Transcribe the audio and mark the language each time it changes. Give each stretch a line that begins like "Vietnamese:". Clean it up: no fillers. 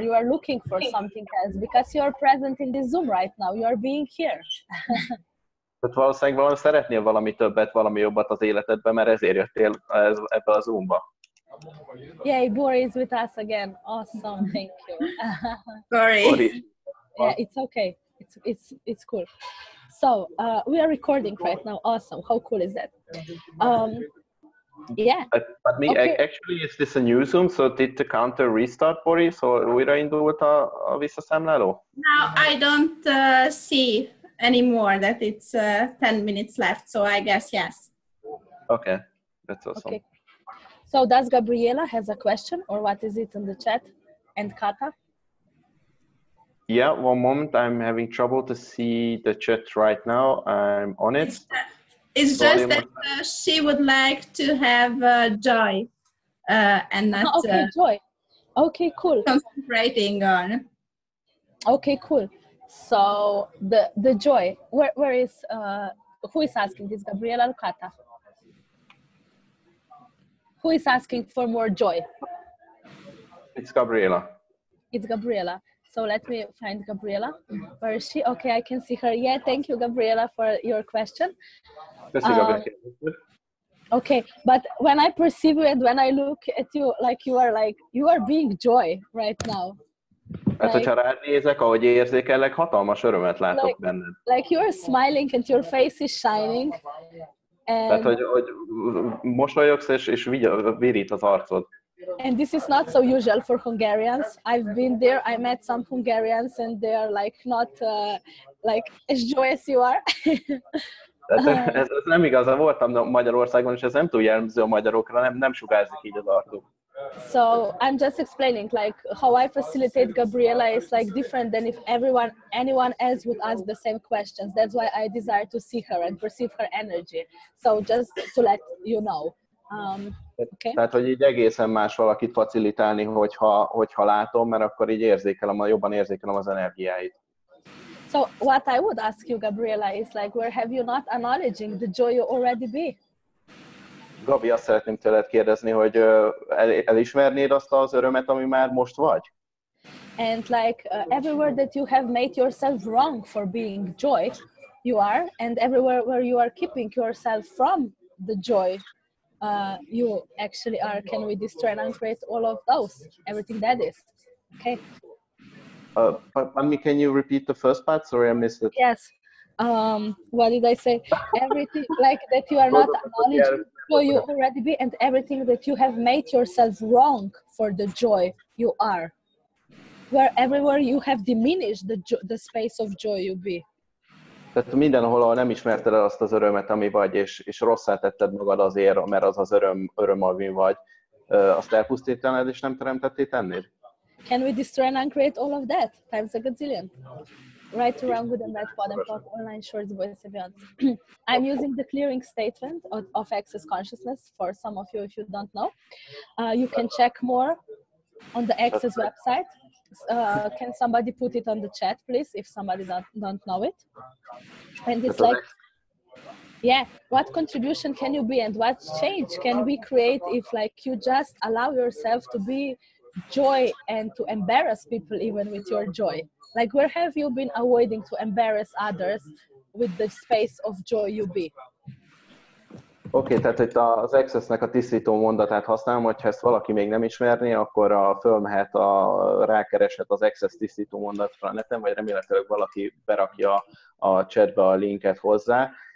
English: You are looking for something else because you are present in this Zoom right now. You are being here.
Hungarian: Tehát valószínűleg valami szeretnél valami többet, valami jobbat az életedben, mert ezért jöttél ebbe a Zoomba.
English: Yay, Boris with us again. Awesome, thank you. Sorry. Yeah, it's okay. It's cool. So, we are recording right now. Awesome. How cool is that? Yeah. But me, okay. Actually, is this a new Zoom? So, did the counter restart, Boris? Or
Hungarian: újra indult a visszaszámláló?
English: No, I don't see anymore that it's 10 minutes left. So, I guess yes. Okay, that's awesome. Okay. So, does Gabriela has a question? Or what is it in the chat? And Kata? Yeah, one moment. I'm having trouble to see the chat right now. I'm on it. It's just that she would like to have Joy and not... Okay, Joy. Okay, cool. Concentrating on. Okay, cool. So the Joy, where is... who is asking this? Gabriela Lucata. Who is asking for more Joy? It's Gabriela. It's Gabriela. So let me find Gabriela. Where is she? Okay, I can see her. Yeah, thank you, Gabriela, for your question. Okay, but when I perceive you and when I look at you, like, you are being Joy right now.
Hungarian: Hát, hogyha rád nézek, ahogy érzékellek, hatalmas örömet látok benned.
English: Like, you are smiling and your face is shining. And
Hungarian: tehát, hogy mosolyogsz és virít az arcod.
English: And this is not so usual for Hungarians. I've been there, I met some Hungarians and they are like not like as joyous as you are.
Hungarian: Ez nem igaz, voltam Magyarországon, és ez nem túl jellemző a magyarokra, nem sugárzik így az arcuk.
English: So I'm just explaining, like, how I facilitate Gabriela is like different than if anyone else would ask the same questions. That's why I desire to see her and perceive her energy. So just to let you know. Okay.
Hungarian: Tehát, hogy így egészen más valakit facilitálni, hogyha látom, mert akkor így érzékelem, jobban érzékelem az energiáit.
English: So what I would ask you, Gabriela, is like, where have you not acknowledging the joy you already be?
Hungarian: Gabi, azt szeretném tőled kérdezni, hogy elismernéd azt az örömet, ami már most vagy?
English: And like, everywhere that you have made yourself wrong for being joy, you are, and everywhere where you are keeping yourself from the joy, you actually are, can we destroy and uncreate all of those, everything that is, okay? But can you repeat the first part? Sorry, I missed it. Yes. What did I say? Everything, like, that you are not acknowledging who you already be, and everything that you have made yourself wrong for the joy you are. Where everywhere you have diminished the space of joy you be.
Hungarian: Tehát mindenhol, ahol nem ismerted el azt az örömet, ami vagy, és rosszá tetted magad azért, mert az az öröm, ami vagy, azt elpusztítanád, és nem teremtetté tennéd?
English: Can we destroy and uncreate all of that? Times a gazillion. Right around with the net pod and pop online shorts voice events. I'm using the clearing statement of access consciousness for some of you if you don't know. You can check more on the access website. Can somebody put it on the chat, please, if somebody don't know it? And it's like, yeah, what contribution can you be and what change can we create if, like, you just allow yourself to be joy and to embarrass people even with your joy? Like, where have you been avoiding to embarrass others with the space of joy you be?
Hungarian: Okay, tehát itt az Access-nek a tisztító mondatát használom, hogyha ezt valaki még nem ismerné, akkor fölmehet, rákereshet az Access tisztító mondatra a neten, vagy remélhetőleg valaki berakja a chatbe a linket hozzá.